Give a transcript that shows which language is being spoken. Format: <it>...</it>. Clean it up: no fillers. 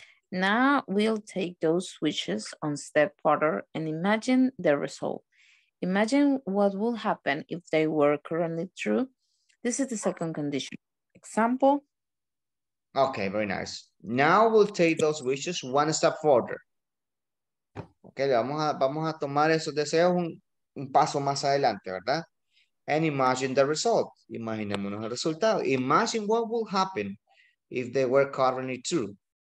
<en>Now we'll take those switches on step further and imagine the result. Imagine what would happen if they were currently true. This is the second condition. Example. Okay, very nice. Now we'll take those wishes one step further.</en> <es>Okay, vamos a tomar esos deseos un paso más adelante, ¿verdad?</es> <en>And imagine the result.</en> <es>Imaginémonos el resultado.</es> <en>Imagine what will happen if they were currently true.</en>